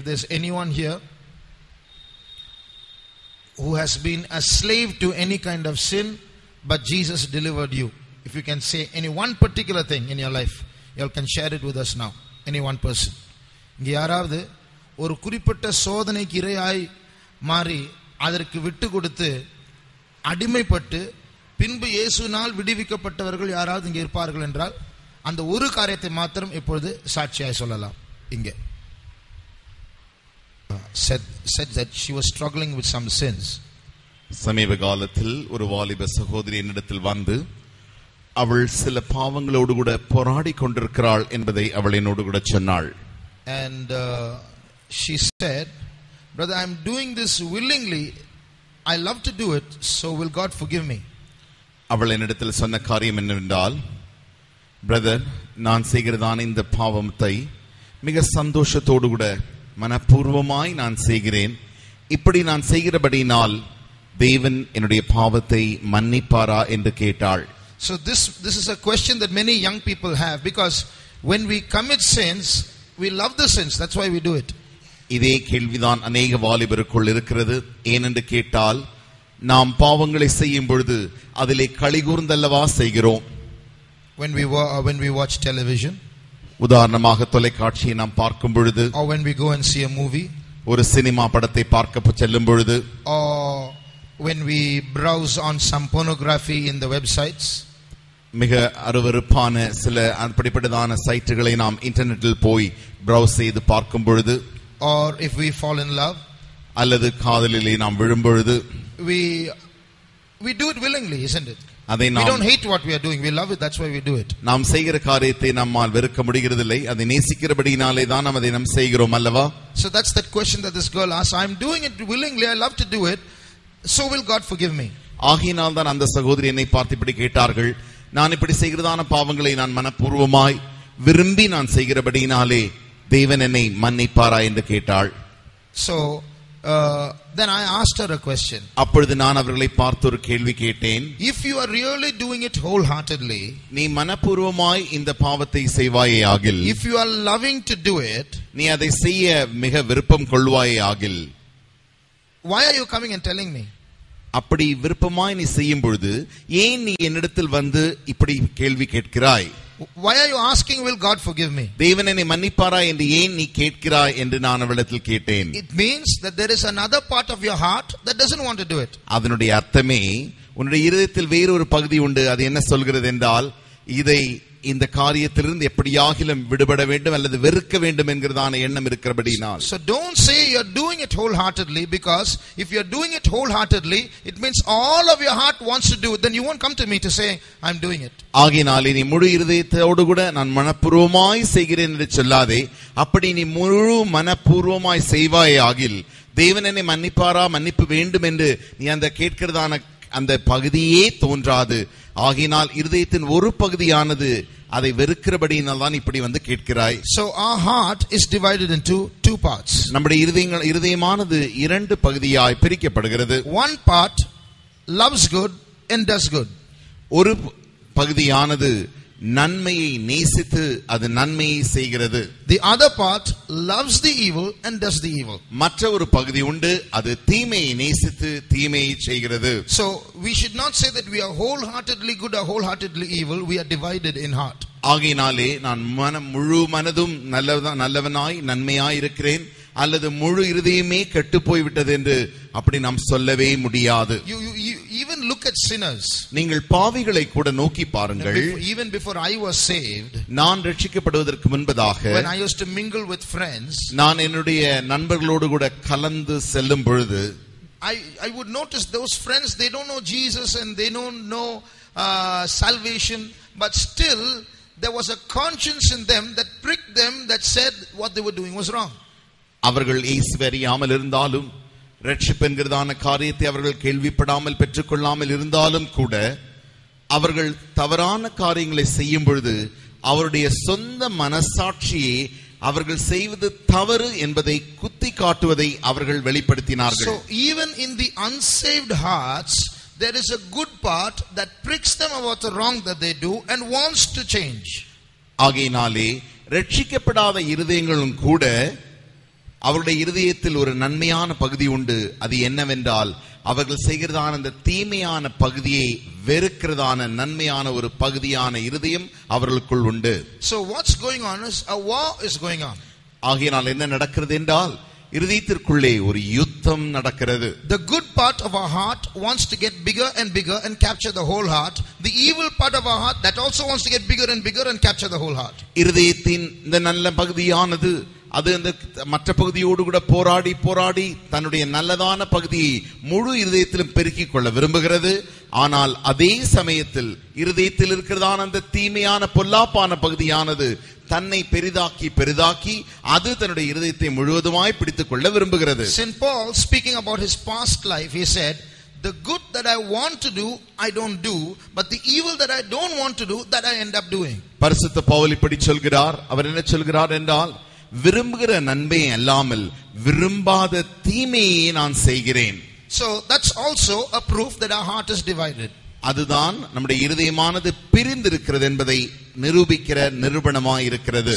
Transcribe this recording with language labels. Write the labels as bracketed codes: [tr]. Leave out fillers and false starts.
[en] Anyone here who has been a slave to any kind of sin, but Jesus delivered you? If you can say any one particular thing in your life, you all can share it with us now. Any one person? [ta] இங்கே யாராவது ஒரு குறிப்பிட்ட சோதனைக்கு இரையாய் மாறி அதற்கு விட்டு கொடுத்து அடிமைப்பட்டு பின்பு இயேசுனால் விடுவிக்கப்பட்டவர்கள் யாராவது இங்கே இருப்பார்கள் என்றால் அந்த ஒரு காரியத்தை மாத்திரம் இப்பொழுது சாட்சியாய் சொல்லலாம். இங்கே [en] said that she was struggling with some sins. [ta] சமீப காலத்தில் ஒரு வாலிப சகோதரி என்னிடத்தில் வந்து அவள் சில பாவங்களோடு கூட போராடி கொண்டிருக்கிறாள் என்பதை அவள் என்னோடு கூட சொன்னாள். [en] And she said, brother, I'm doing this willingly. I love to do it. So will God forgive me? [ta] அவள் என்னிடத்தில் சொன்ன காரியம் என்னவென்றால், brother, நான் செய்கிறதான இந்த பாவத்தை மிக சந்தோஷத்தோடு கூட மனப்பூர்வமாய் நான் செய்கிறேன். இப்படி நான் செய்கிறபடியினால் தேவன் என்னுடைய பாவத்தை மன்னிப்பாரா என்று கேட்டாள். [en] So this is a question that many young people have, because when we commit sins, we love the sins. That's why we do it. [ta] இதே கேள்விதான் அநேக வாலிபருக்குள் இருக்கிறது. ஏனென்று கேட்டால், நாம் பாவங்களை செய்யும் பொழுது அதிலே களிகூர்ந்தல்லவா செய்கிறோம். [en] When we watch television, [ta] உதாரணமாக தொலைக்காட்சியை நாம் பார்க்கும் பொழுது, [en] or when we go and see a movie, [ta] ஒரு சினிமா படத்தை பார்க்க செல்லும் பொழுது, [en] or when we browse on some pornography in the websites, [ta] மிக அருவருப்பான சில அப்படிப்பட்டதான சைட்டுகளை நாம் இன்டர்நெட்டில் போய் ப்ரௌஸ் செய்து பார்க்கும் பொழுது, [en] or if we fall in love, [ta] அல்லது காதலிலே நாம் விழும் பொழுது, [en] we do it willingly, isn't it? [ta] அதை நாம் [en] we don't hate what we are doing, we love it, that's why we do it. [ta] நாம் செய்கிற காரியத்தை நம்மால் வெறுக்க முடியவில்லை, அதை நேசிக்கிறபடியினாலே தான் அதை நாம் செய்கிறோம் அல்லவா? [en] So that's that question that this girl asked. I'm doing it willingly, I love to do it, so will God forgive me? [ta] ஆகையினால் தான் அந்த சகோதரி என்னை பார்த்து இப்படி கேட்டார்கள், நான் இப்படி செய்கிறதான பாவங்களை நான் மனப்பூர்வமாய் விரும்பி நான் செய்கிறபடியினாலே தேவன் என்னை மன்னிப்பாரா என்று கேட்டாள். [en] So then I asked her a question. [ta] அப்பொழுது நான் அவர்களை பார்த்து ஒரு கேள்வி கேட்டேன். [en] If you are really doing it wholeheartedly, [ta] நீ மனப்பூர்வமாய் இந்த பாவத்தை செய்வாயே ஆகில். [en] If you are loving to do it, [ta] நீ அதை செய்ய மிக விருப்பம் கொள்வாயே ஆகில். [en] Why are you coming and telling me? [ta] அப்படி விருப்பமாய் நீ செய்யும் பொழுது ஏன் நீ என்னிடத்தில் வந்து இப்படி கேள்வி கேட்கிறாய்? [en] Why are you asking, will God forgive me? [ta] தேவன் என்னை மன்னிப்பாரா என்று ஏன் நீ கேட்கிறாய் என்று நான் அவளிடத்தில் கேட்டேன். [en] It means that there is another part of your heart that doesn't want to do it. [ta] அதனுடைய அர்த்தமே உன்னுடைய இருதயத்தில் வேறு ஒரு பகுதி உண்டு, அது என்ன சொல்கிறது என்றால் இதை இந்த காரியத்திலிருந்து எப்படியாகிலும் விடுபட வேண்டும் அல்லது வெறுக்க வேண்டும் என்கிறதான எண்ணம் இருக்கிறபடியால். [en] So don't say you are doing it wholeheartedly, because if you are doing it wholeheartedly, it means all of your heart wants to do it, then you won't come to me to say I'm doing it. [ta] ஆகையினாலே நீ முழு இருதயத்தோடு கூட நான் மனப்பூர்வமாய் செய்கிறேன் என்று சொல்லாதே. அப்படி நீ முழு மனப்பூர்வமாய் செய்வாயே ஆகில் தேவன் என்னை மன்னிப்பாரா, மன்னிப்பு வேண்டும் என்று நீ அந்த கேட்கிறதான அந்த பகுதியே தோன்றாது. ஆகையினால் இருதயத்தின் ஒரு பகுதியானது அதை வெறுக்கிறபடியால்தான் இப்படி வந்து கேட்கிறாய். [en] So our heart is divided into two parts. [ta] நம்முடைய இருதயங்கள் இருதயமானது இரண்டு பகுதியாய் பிரிக்கப்படுகிறது. [en] One part loves good and does good. [ta] ஒரு பகுதியானது நன்மையை நேசித்து அது நன்மையை செய்கிறது. [en] The other part loves the evil and does the evil. [ta] மற்ற ஒரு பகுதி உண்டு, அது தீமையை நேசித்து தீமையை செய்கிறது. [en] So we should not say that we are wholeheartedly good or wholeheartedly evil. We are divided in heart. [ta] ஆகையினாலே நான் மனம் முழு மனதும் நல்லவனாய் நன்மையாய் இருக்கிறேன் அல்லது முழு இருதயமே கெட்டு போய்விட்டது என்று அப்படி நாம் சொல்லவே முடியாது. [en] Even look at sinners. [ta] நீங்கள் பாவிகளை கூட நோக்கி பாருங்கள். [en] Even before I was saved, [ta] நான் ரட்சிக்கப்படுவதற்கு முன்பதாக, [en] when I used to mingle with friends, [ta] நான் என்னுடைய நண்பர்களோடு கூட கலந்து செல்லும் பொழுது, [en] I would notice those friends, they don't know Jesus and they don't know salvation, but still there was a conscience in them that pricked them, that said what they were doing was wrong. [ta] அவர்கள் இயேசுவறியாமல் இருந்தாலும் ரட்சிப்பென்கிறதான காரியத்தை அவர்கள் கேள்விப்படாமல் பெற்றுக் கொள்ளாமல் இருந்தாலும் கூட அவர்கள் தவறான காரியங்களை செய்யும் பொழுது அவருடைய சொந்த மனசாட்சியே அவர்கள் செய்வது தவறு என்பதை குத்தி காட்டுவதை அவர்கள் வெளிப்படுத்தினார்கள். [en] So even in the unsaved hearts, there is a good part that pricks them about the wrong that they do and wants to change. [ta] ஆகையினாலே ரட்சிக்கப்படாத இருதயங்களும் கூட அவருடைய இருதயத்தில் ஒரு நன்மையான பகுதி உண்டு, அது என்னவென்றால் அவர்கள் செய்கிறதான அந்த தீமையான பகுதியை வெறுக்கிறதான நன்மையான ஒரு பகுதியான இருதயம் அவர்களுக்குள் உண்டு. [en] So what's going on is a war is going on. [ta] ஆகையினால் என்ன நடக்கிறது என்றால் இருதயத்திற்குள்ளே ஒரு யுத்தம் நடக்கிறது. [en] The good part of our heart wants to get bigger and bigger and capture the whole heart. The evil part of our heart, that also wants to get bigger and bigger and capture the whole heart. [ta] இருதயத்தின் இந்த நல்ல பகுதியானது அது அந்த மற்ற பகுதியோடு கூட போராடி போராடி தன்னுடைய நல்லதான பகுதியை முழு இருதயத்திலும் பெருக்கிக் கொள்ள விரும்புகிறது. ஆனால் அதே சமயத்தில் இருதயத்தில் இருக்கிறதான அந்த தீமையான பொல்லாப்பான பகுதியானது தன்னை பெரிதாக்கி பெரிதாக்கி அது தன்னுடைய இருதயத்தை முழுவதுமாய் பிடித்துக் கொள்ள விரும்புகிறது. [en] Saint Paul, speaking about his past life, he said, "The good that I want to do, I don't do, but the evil that I don't want to do, that I end up doing." [ta] பரிசுத்த பவுல் இப்படி சொல்கிறார். அவர் என்ன சொல்கிறார் என்றால், விரும்புகிற நன்மை அல்லாமல் விரும்பாத தீமையை நான் செய்கிறேன். [en] So that's also a proof that our heart is divided. [ta] அதுதான் நம்முடைய இருதயமானது பிரிந்து இருக்கிறது என்பதை நிரூபிக்கிற நிரூபணமாய் இருக்கிறது.